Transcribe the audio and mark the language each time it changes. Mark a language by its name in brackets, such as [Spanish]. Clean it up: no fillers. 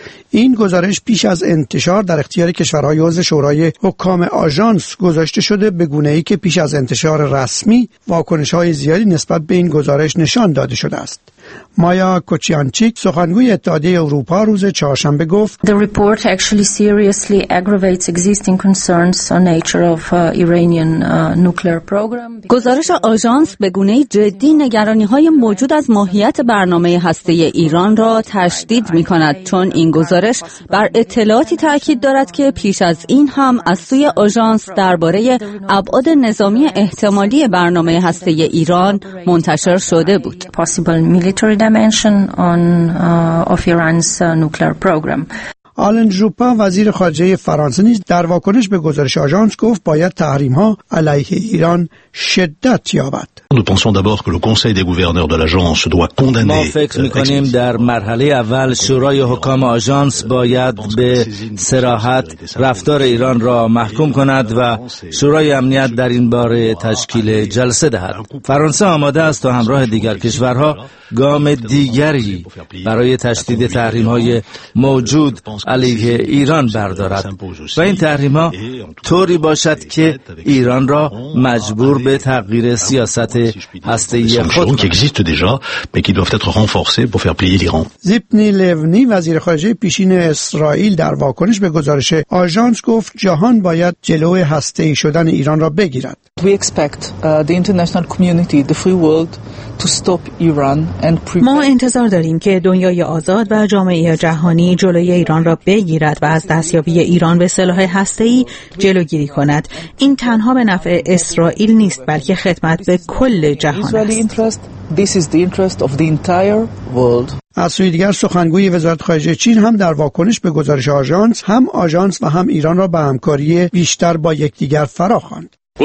[Persian] این گزارش پیش از انتشار در اختیار کشورهای عضو شورای حکام آژانس گذاشته شده به گونه ای که پیش از انتشار رسمی واکنش‌های زیادی نسبت به این گزارش نشان داده شده است. مایا کوچیانچیک سخنگوی اتحادیه اروپا روز چهارشنبه گفت [English] The report actually seriously aggravates existing concerns on nature of Iranian nuclear program. [Persian] گزارش آژانس به گونه جدی نگرانی‌های موجود از ماهیت برنامه هسته ایران را تشدید می‌کند، چون این گزارش بر اطلاعاتی تاکید دارد که پیش از این هم از سوی آژانس درباره ابعاد نظامی احتمالی برنامه هسته ایران منتشر شده بود. [English] Dimension on of Iran's nuclear program. [Persian] آلن ژوپا وزیر خارجه فرانسه نیز در واکنش به گزارش آژانس گفت باید تحریم‌ها علیه ایران شدت یابد. [French] Nous pensons d'abord que le Conseil des gouverneurs de l'agence doit condamner. [Persian] ما فکر می‌کنیم در مرحله اول شورای حکام آژانس باید به صراحت رفتار ایران را محکوم کند و شورای امنیت در این باره تشکیل جلسه دهد. فرانسه آماده است تا همراه دیگر کشورها گام دیگری برای تشدید تحریم‌های موجود علیه ایران بردارد و این تحریم‌ها طوری باشد که ایران را مجبور به تغییر سیاست هسته‌ای خود کند. زیپنی لونی وزیر خارجه پیشین اسرائیل در واکنش به گزارش آژانس گفت جهان باید جلو هسته‌ای شدن ایران را بگیرد. [English] We expect the international community, the free world, to stop Iran and prevent. [Persian] ما انتظار داریم که دنیای آزاد و جامعه جهانی جلوی ایران را بگیرد و از دستیابی ایران به سلاح هسته‌ای جلوگیری کند. این تنها به نفع اسرائیل نیست، بلکه خدمت به کل جهان است. [English] This is the interest of the entire world. [Persian] از سوی دیگر سخنگوی وزارت خارجه چین هم در واکنش به گزارش آژانس هم آژانس و هم ایران را به همکاری بیشتر با یکدیگر فرا خواند.